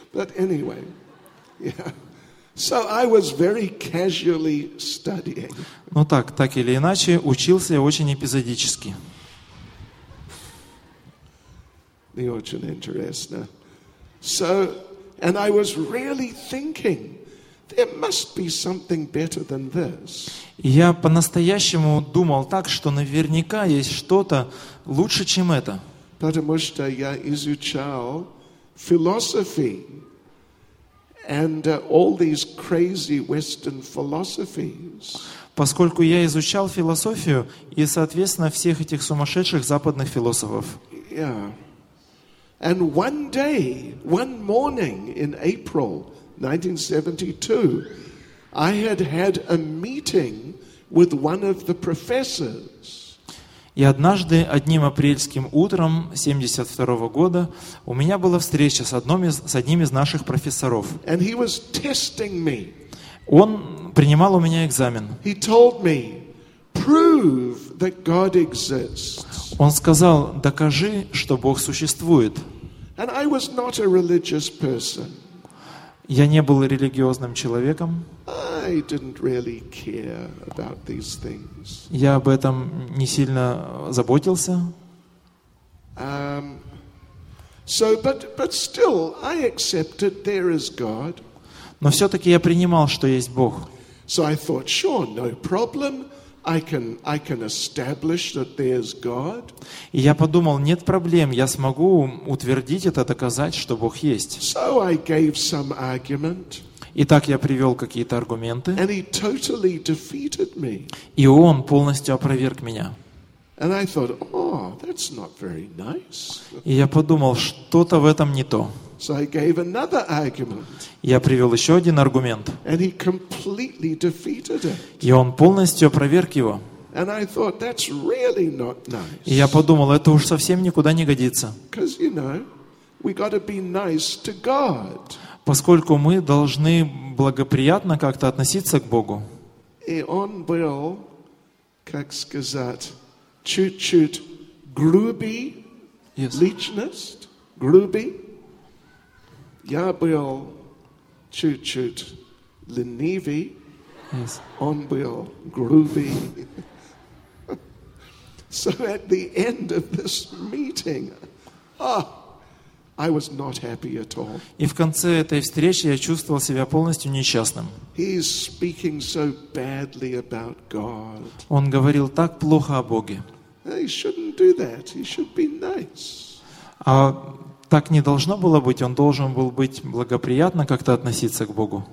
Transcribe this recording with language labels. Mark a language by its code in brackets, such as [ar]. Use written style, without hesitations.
[en] But anyway, So I was very casually studying. [ru] Ну так или иначе, учился я очень эпизодически. Не очень интересно. [en] So, and I was really thinking, there must be something better than this. [ru] Я по-настоящему думал так, что наверняка есть что-то лучше, чем это. Потому что я изучал философию [en] and all these crazy Western philosophies. [ru] Поскольку я изучал философию и, соответственно, всех этих сумасшедших западных философов. [en] Yeah. And one day, one morning in April 1972, I had a meeting with one of the professors. [ru] И однажды, одним апрельским утром 72 года, у меня была встреча с одним из наших профессоров. [en] And he was testing me. [ru] Он принимал у меня экзамен. [en] He told me, prove that God exists. [ru] Он сказал: докажи, что Бог существует. [en] And I was not a religious person. [ru] Я не был религиозным человеком. [en] I didn't really care about these things. [ru] Я об этом не сильно заботился. [en] But still, I accepted there is God. [ru] Но все-таки я принимал, что есть Бог. [en] So I thought, sure, no problem. I can establish that there is God. [ru] И я подумал, нет проблем, я смогу утвердить это, доказать, что Бог есть. [en] So I gave some argument. [ru] Итак, я привел какие-то аргументы. [en] And he totally defeated me. [ru] И он полностью опроверг меня. [en] And I thought, oh, that's not very nice. [ru] И я подумал, что-то в этом не то. [en] So I gave another argument. [ru] Я привел еще один аргумент. [en] And he completely defeated it. [ru] И он полностью опроверг его. [en] And I thought, that's really not nice. [ru] И я подумал, это уж совсем никуда не годится. [en] Because, you know, we gotta be nice to God. [ru] Поскольку мы должны благоприятно как-то относиться к Богу. И он был, как сказать, чуть-чуть груби, [en] yes. [ru] Личность, груби. Я был чуть-чуть ленивый, [en] yes. [ru] Он был грубый. [en] So at the end of this meeting, I was not happy at all. [ru] И в конце этой встречи я чувствовал себя полностью несчастным. [en] He is speaking so badly about God. [ru] Он говорил так плохо о Боге. [en] He shouldn't do that. He should be nice. [ru] А так не должно было быть, он должен был быть благоприятно как-то относиться к Богу.